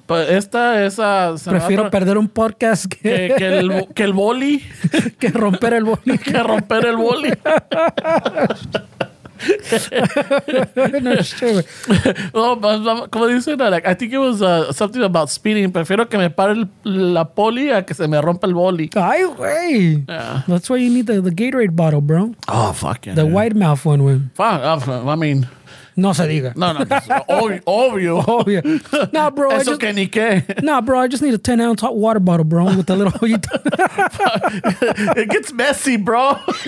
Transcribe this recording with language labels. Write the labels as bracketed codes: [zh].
[es] Prefiero perder un podcast que el boli. Que romper el boli. Que romper el boli. [en] No, sure. [es] Como dicen, [en] like, I think it was something about speeding. [es] Prefiero que me pare la poli a que se me rompa el boli. Ay, güey. [en] Yeah. That's why you need the Gatorade bottle, bro. Oh, fuck yeah. The white mouth one, man. Fuck, I mean. [es] No se diga. No. Obvio. [en] Nah, bro. [es] Eso que ni qué. [en] Nah, bro. I just need a 10-ounce hot water bottle, bro, with a little. It gets messy, bro.